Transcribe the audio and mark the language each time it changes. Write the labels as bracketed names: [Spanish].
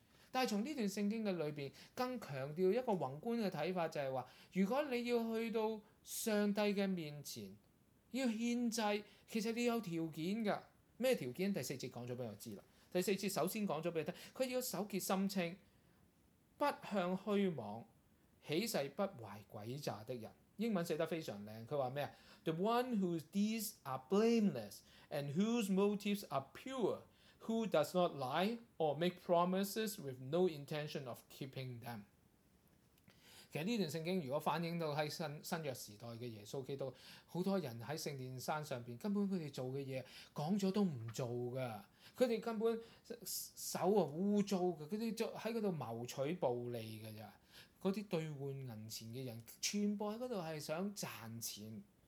[Chinese] 但从这段圣经的里面更强调一个宏观的看法，就是说如果你要去到上帝的面前要献祭，其实你有条件的。什么条件？第四节讲了给我知道，第四节首先讲了给你，他要守洁心清，不向虚妄起誓，不怀诡诈的人。英文写得非常靓，他说什么？ [English] The one whose deeds are blameless and whose motives are pure, who does not lie or make promises with no intention of keeping them。 [Chinese] 其实这段圣经如果反映到在 新约时代的耶稣基督，很多人在圣殿山上面根本他们做的事讲了都不做的，他们根本手是污糟的，他们在那里谋取暴利的，那些兑换银钱的人全部在那里是想赚钱。